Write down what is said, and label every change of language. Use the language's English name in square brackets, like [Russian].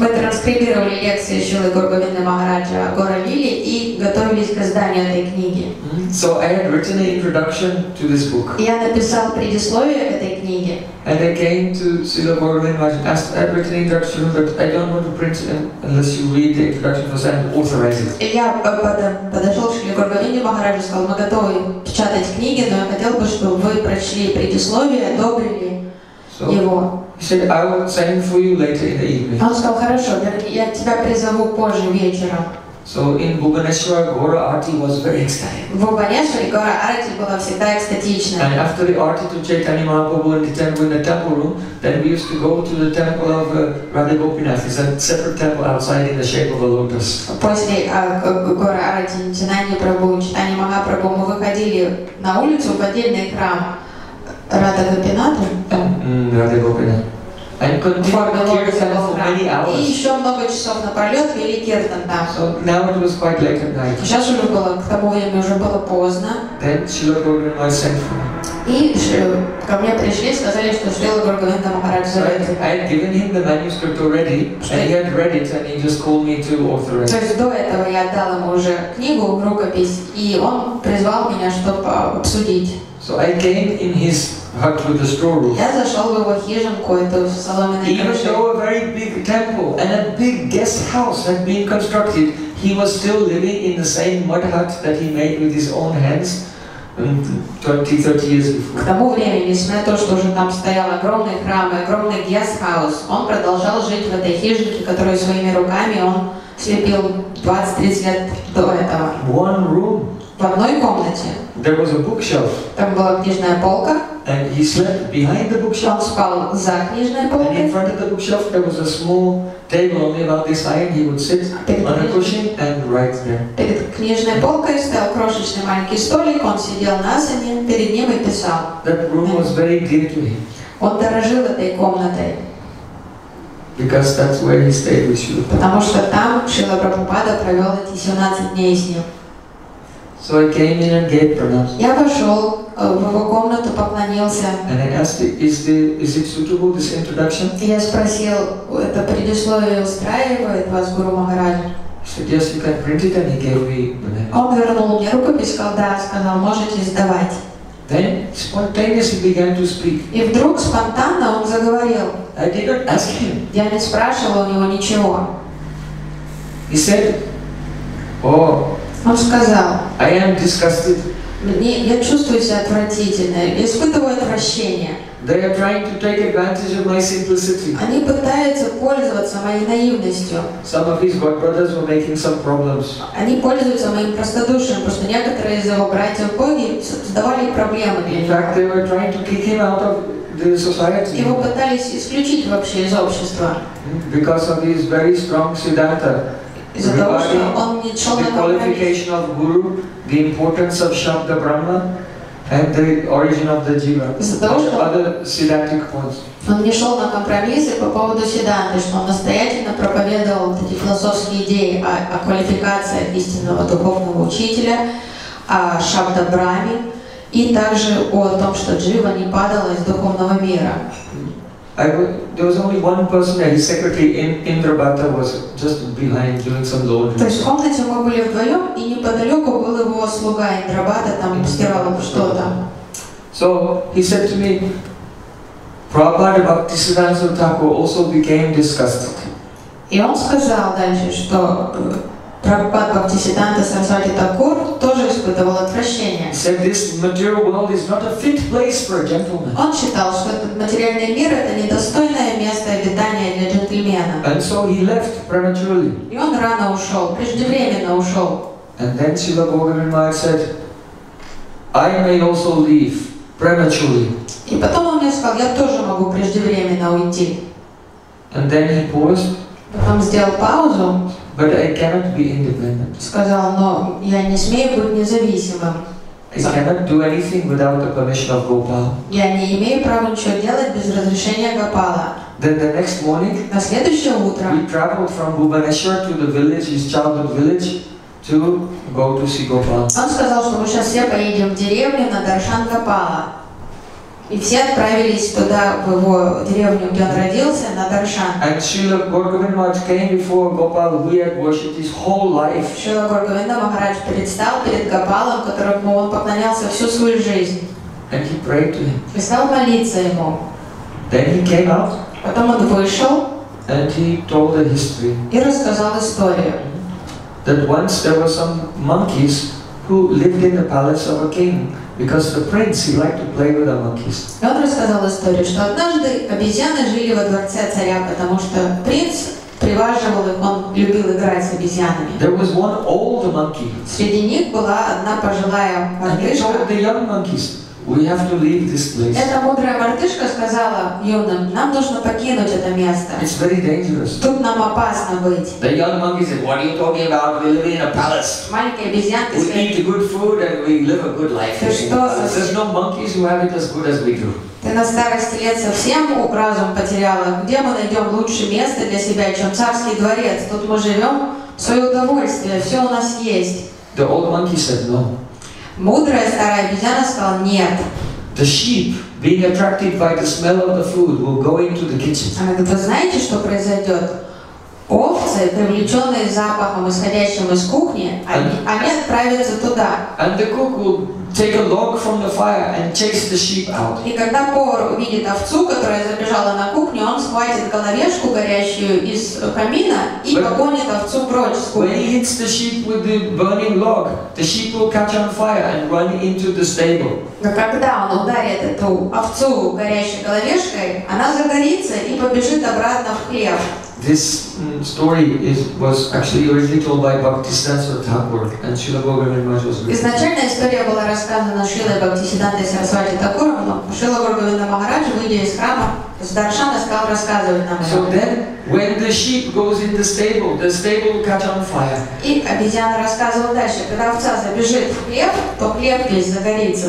[Russian] Мы транскрибировали лекции Шрилы Гаура Говинда Махараджа о Гаура Лиле и готовились к изданию этой книги. [English] So I had written an introduction to this book. [Russian] Я написал предисловие к этой книге. [English] And I came to Srila Gaura Govinda Maharaja and asked, I have written an introduction, but I don't want to print it unless you read the introduction first and authorize it. [Russian] И я подошел к Шриле Гаура Говинде Махараджу и сказал, мы готовы печатать книги, но я хотел бы, чтобы вы прочли предисловие, одобрили его. [English] He said, I will send for you later in the evening. [Russian] Он сказал, хорошо, я тебя призову позже вечером. [English] So in Bhubaneswar, Gaura Arati was very ecstatic. And after the Arati to Chaitanya Mahaprabhu in the temple, then we used to go to the temple of Radha Gopinath. It's a separate temple outside in the shape of a lotus. Radha Gopinath. And continued kirtan for many hours. [Russian] И еще много часов напролет вели киртан там. [English] So now it was quite late at night. [Russian] Сейчас уже было к тому времени уже было поздно. [English] Then Srila Govinda sent for me. [Russian] И ко мне пришли, сказали, что Srila Govinda Maharaj зовет. [English] So I had given him the manuscript already, and he had read it, and he just called me to author it. [Russian] То есть до этого я отдал ему уже книгу, рукопись, и он призвал меня, чтобы обсудить. [English] So I came in his back to the storeroom. [Russian] Я зашел в его хижинку, эту соломенную крышу. [English] Even though a very big temple and a big guest house had been constructed, he was still living in the same mud hut that he made with his own hands 20-30 years before. [Russian] К тому времени, несмотря на то, что уже там стоял огромный храм и огромный guest house, он продолжал жить в этой хижинке, которую своими руками он слепил 20-30 лет до этого. [English] One room. [Russian] В одной комнате. [English] There was a bookshelf. [Russian] Там была книжная полка. [English] And he slept behind the bookshelf. [Russian] Он спал за книжной полкой. [English] And in front of the bookshelf there was a small table only about this high. He would sit on a cushion and write there. [Russian] Перед книжной полкой стоял крошечный маленький столик. Он сидел на земле перед ним и писал. [English] That room was very dear to him. [Russian] Он дорожил этой комнатой. [English] Because that's where he stayed with you. [Russian] Потому что там Шрила Прабхупада провел эти 17 дней с ним. [English] So I came in and gave pranams. [Russian] Я вошел в его комнату, поклонился. [English] And I asked, is it suitable this introduction? [Russian] Я спросил, это предисловие устраивает вас, Гуру Махарадж? [English] He said, yes, you can print it, and he gave me pranams. [Russian] Он вернул мне рукопись, сказал, да, сказал, можете сдавать. [English] Then spontaneously began to speak. [Russian] И вдруг спонтанно он заговорил. [English] I did not ask him. [Russian] Я не спрашивал у него ничего. [English] He said, oh. [Russian] Он сказал, [English] I am disgusted. [Russian] Я чувствую себя отвратительно, испытываю отвращение. [English] They are trying to take advantage of my simplicity. [Russian] Они пытаются пользоваться моей наивностью. [English] Some of his godbrothers were making some problems. [Russian] Они пользуются моим простодушием, потому что некоторые из его братьев боги создавали проблемы для него. [English] In fact, they were trying to kick him out of the society. [Russian] Его пытались исключить вообще из общества. [English] Because of his very strong siddhanta. [Russian] Из-за того, что он не чел на [English] qualification of guru, the importance of Shabda Brahma, and the origin of the jiva, other siddhantic points. [Russian] Он не шел на компромиссы по поводу сиданты, что он настоятельно проповедовал эти философские идеи о квалификации истинного духовного учителя, о Шабда Брахме, и также о том, что джива не падала из духовного мира. [English] There was only one person that his secretary Indrabhatta was just behind doing some laundry. [Russian] То есть в комнате мы были вдвоем, и неподалеку был его слуга Индрабхатта, там стирал что-то. [English] So he said to me, Prabhupada Bhaktisiddhanta Thakur also became disgusted. [Russian] И он сказал дальше, что Прабхупада Бхактисиддханта Сарасвати Такур тоже испытывал отвращение. [English] He said, this material world is not a fit place for a gentleman. [Russian] Он считал, что этот материальный мир это недостойное место обитания для джентльмена. [English] And so he left prematurely. [Russian] И он рано ушел, преждевременно ушел. [English] And then Srila Govindamaya said, I may also leave prematurely. [Russian] И потом он мне сказал, я тоже могу преждевременно уйти. [English] And then he paused. [Russian] Потом сделал паузу. [English] But I cannot be independent. [Russian] Сказал, но я не смею быть независимым. [English] I cannot do anything without the permission of Gopal. [Russian] Я не имею права ничего делать без разрешения Гопала. [English] Then the next morning, [Russian] на следующее утро, [English] we traveled from Bhubaneswar to the village, his childhood village, to go to see Gopal. [Russian] Он сказал, что мы сейчас все поедем в деревню на даршан Гопала. И все отправились туда, в его деревню, где он родился, на даршан. [English] And Srila Govinda Maharaj came before Gopal, who had worshipped his whole life. [Russian] Srila Govinda Maharaj предстал перед Гопалом, которому он поклонялся всю свою жизнь. [English] And he prayed to him. [Russian] И стал молиться ему. [English] Then he came out. [Russian] Потом он вышел. [English] And he told the history. [Russian] И рассказал историю. [English] That once there were some monkeys who lived in the palace of a king. Because the prince, he liked to play with the monkeys. [Russian] И он рассказал историю, что однажды обезьяны жили во дворце царя, потому что принц приваживал их, он любил играть с обезьянами. [English] There was one old monkey. [Russian] Среди них была одна пожилая мартышка. [English] And he told the young monkeys, we have to leave this place. [Russian] Эта мудрая мартышка сказала юным, нам нужно покинуть это место. [English] It's very dangerous. [Russian] Тут нам опасно быть. [English] The young monkey said, what are you talking about? We live in a palace. [Russian] Маленькие обезьянки сказали, [English] we eat good food and we live a good life. There's no monkeys who have it as good as we do. [Russian] Ты на старости лет совсем разум потеряла. Где мы найдем лучшее место для себя, чем царский дворец? Тут мы живем в свое удовольствие, все у нас есть. [English] The old monkey said no. [Russian] Мудрая старая обезьяна сказала нет. [English] The sheep, being attracted by the smell of the food, will go into the kitchen. [Russian] Она говорит, вы знаете, что произойдет? Овцы, привлеченные запахом, исходящим из кухни, они отправятся туда. [English] And the cook will take a log from the fire and chase the sheep out. [Russian] И когда повар увидит овцу, которая забежала на кухню, он схватит головешку горящую из камина и погонит овцу прочь с кухни. [English] When he hits the sheep with the burning log, the sheep will catch on fire and run into the stable. [Russian] Но когда он ударит эту овцу горящей головешкой, она загорится и побежит обратно в хлев. [English] This story was actually originally told by Bhaktisiddhanta Thakur and Srila Govinda Maharaj was reading. [Russian] Изначальная история была рассказана Шрилой Бхактисиддхантой Сарасвати Такуром, но Шрила Говинда Махарадж, выйдя из храма, с даршана стал рассказывать нам. [English] So then, when the sheep goes in the stable will catch on fire. [Russian] И обезьяна рассказывала дальше, когда овца забежит в хлев, то хлев весь загорится.